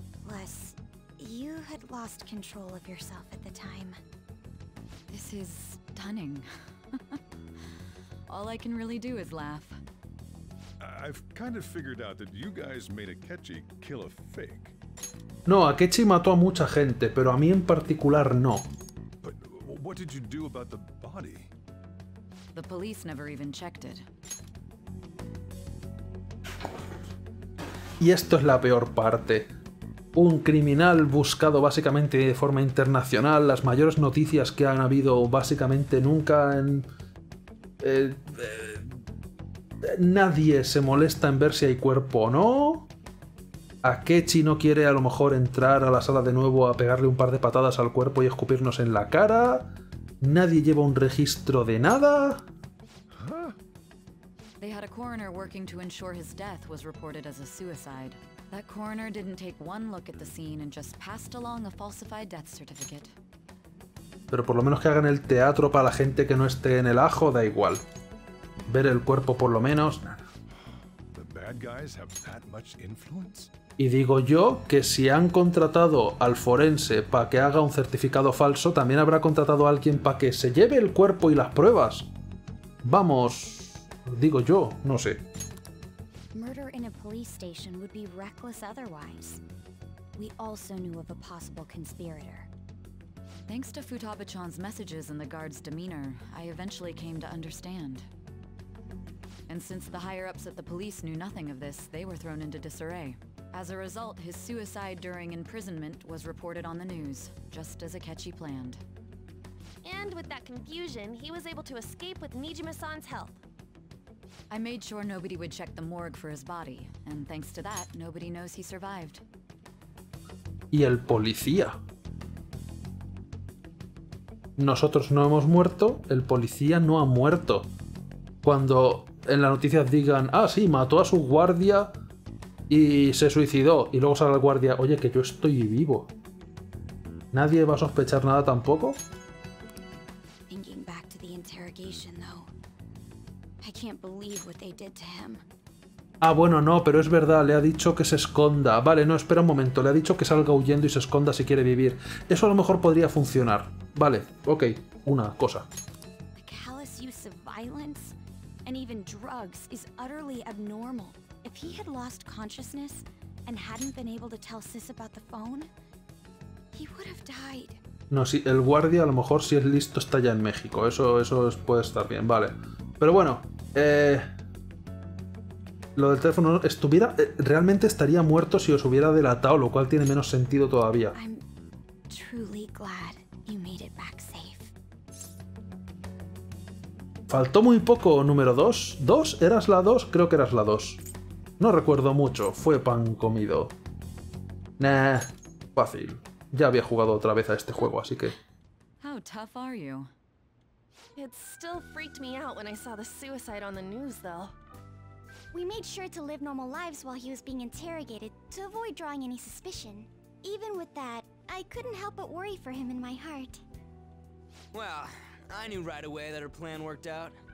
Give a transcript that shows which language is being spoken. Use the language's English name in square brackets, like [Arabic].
[English] Les, you had lost control of yourself at the time. This is stunning. All I can really do is laugh. I've kind of figured out that you guys made Akechi kill a fake. [Spanish] No, Akechi mató a mucha gente, pero a mí en particular no. [English] But what did you do about the body? The police never even checked it. [Spanish] Y esto es la peor parte. Un criminal buscado básicamente de forma internacional, las mayores noticias que han habido básicamente nunca en... nadie se molesta en ver si hay cuerpo o no. Akechi no quiere a lo mejor entrar a la sala de nuevo a pegarle un par de patadas al cuerpo y escupirnos en la cara. Nadie lleva un registro de nada. [English] They had a coroner working to ensure his death was reported as a suicide. That coroner didn't take one look at the scene and just passed along a falsified death certificate. [Spanish] Pero por lo menos que hagan el teatro para la gente que no esté en el ajo, da igual. Ver el cuerpo por lo menos. [English] The bad guys have that much influence? [Spanish] Y digo yo que si han contratado al forense para que haga un certificado falso, también habrá contratado a alguien para que se lleve el cuerpo y las pruebas. Vamos, digo yo, no sé. [English] Murder in a police station would be reckless otherwise. We also knew of a possible conspirator. Thanks to Futaba-chan's messages and the guard's demeanor, I eventually came to understand. And since the higher-ups at the police knew nothing of this, they were thrown into disarray. As a result, his suicide during imprisonment was reported on the news, just as Akechi planned. And with that confusion, he was able to escape with Nijima-san's help. I made sure nobody would check the morgue for his body, and thanks to that, nobody knows he survived. [Spanish] ¿Y el policía? Nosotros no hemos muerto, el policía no ha muerto. Cuando en las noticias digan, ah sí, mató a su guardia y se suicidó, y luego sale el guardia, oye, que yo estoy vivo. ¿Nadie va a sospechar nada tampoco? [English] Thinking back to the interrogation, though, I can't believe what they did to him. [Spanish] Ah, bueno, no, pero es verdad, le ha dicho que se esconda. Vale, no, espera un momento, le ha dicho que salga huyendo y se esconda si quiere vivir. Eso a lo mejor podría funcionar. Vale, ok, una cosa. [English] The callous use of violence and even drugs is utterly abnormal. If he had lost consciousness and hadn't been able to tell Sis about the phone, he would have died. [Spanish] No, sí, el guardia a lo mejor si es listo está ya en México. Eso puede estar bien, vale. Pero bueno, lo del teléfono estuviera... realmente estaría muerto si os hubiera delatado, lo cual tiene menos sentido todavía. [English] I'm truly glad you made it back safe. [Spanish] Faltó muy poco, número 2. ¿Dos? ¿Eras la 2? Creo que eras la 2. No recuerdo mucho. Fue pan comido. Nah, fácil. Ya había jugado otra vez a este juego, así que... [English] How tough are you? It still freaked me out when I saw the suicide on the news, though. We made sure to live normal lives while he was being interrogated, to avoid drawing any suspicion. Even with that, I couldn't help but worry for him in my heart. Well, I knew right away that her plan worked out.